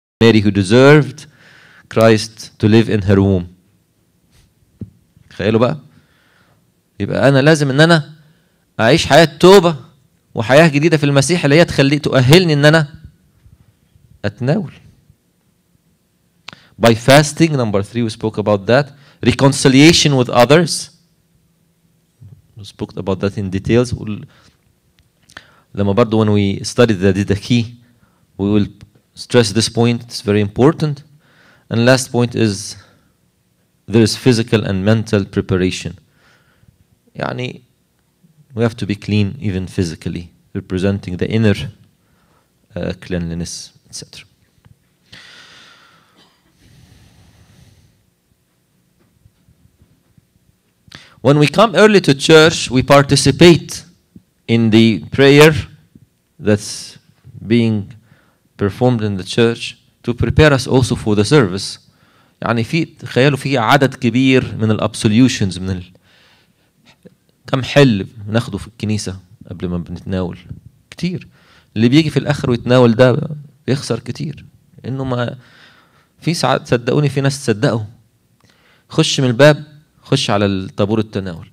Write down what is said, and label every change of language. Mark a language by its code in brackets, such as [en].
[en] Mary, who deserved Christ to live in her womb. [ar] تخيلوا بقى. يبقى أنا لازم إن أنا أعيش حياة توبة وحياة جديدة في المسيح اللي هي تخلي تؤهلني إن أنا أتناول. [en] By fasting, number three, we spoke about that. Reconciliation with others. We spoke about that in details. [ar] لما برضو [en] when we studied the Didache, we will stress this point. It's very important. And last point is there is physical and mental preparation. يعني we have to be clean even physically, representing the inner cleanliness, etc. When we come early to church, we participate in the prayer that's being performed in the church to prepare us also for the service. [ar] يعني في تخيلوا في عدد كبير من الابسوليوشنز من كم حل ناخده في الكنيسة قبل ما بنتناول كتير. اللي بيجي في الآخر ويتناول ده بيخسر كتير. إنه ما في ساعات صدقوني في ناس تصدقوا خش من الباب خش على الطابور التناول.